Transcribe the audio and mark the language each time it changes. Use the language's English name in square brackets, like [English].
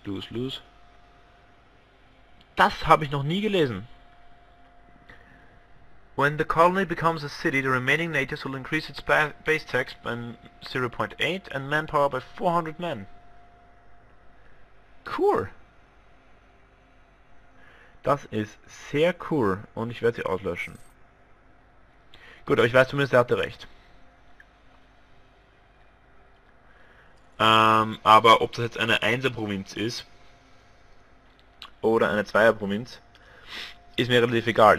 [German] Lose. Das habe ich noch nie gelesen. [English] When the colony becomes a city, the remaining natives will increase its base tax by 0.8 and manpower by 400 men. Cool. [German] Das ist sehr cool und ich werde sie auslöschen. Gut, aber ich weiß zumindest, er hatte recht. Aber ob das jetzt eine 1er-Provinz ist oder eine 2er-Provinz, ist mir relativ egal.